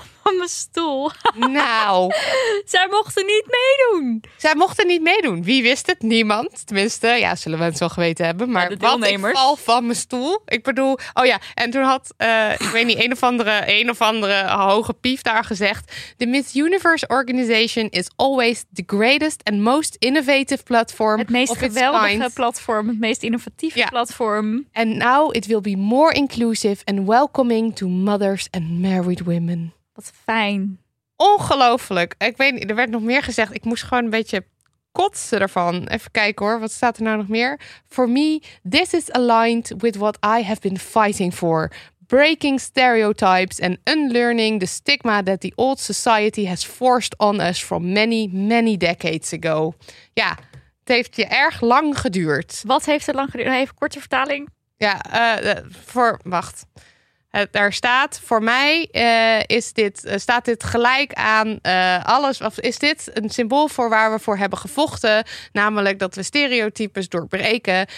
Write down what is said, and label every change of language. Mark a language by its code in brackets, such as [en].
[nl] Van mijn stoel. Nou. Zij mochten niet meedoen. Zij mochten niet meedoen. Wie wist het? Niemand. Tenminste, ja, zullen we het wel geweten hebben. Maar de deelnemers. Wat, ik val van mijn stoel. Ik bedoel, en toen had, ik weet niet, een of andere hoge pief daar gezegd. [en] The Miss Universe Organization is always the greatest and most innovative platform. [nl] Het meest geweldige platform, het meest innovatieve platform. [en] And now it will be more inclusive and welcoming to mothers and married women. [nl] Wat fijn. Ongelooflijk. Ik weet niet, er werd nog meer gezegd. Ik moest gewoon een beetje kotsen ervan. Even kijken hoor, wat staat er nou nog meer? [en] For me, this is aligned with what I have been fighting for. Breaking stereotypes and unlearning the stigma that the old society has forced on us from many, many decades ago. [nl] Ja, het heeft je erg lang geduurd. Wat heeft het lang geduurd? Even korte vertaling. Ja, wacht. Daar staat, voor mij staat dit gelijk aan alles. Of is dit een symbool voor waar we voor hebben gevochten? Namelijk dat we stereotypes doorbreken.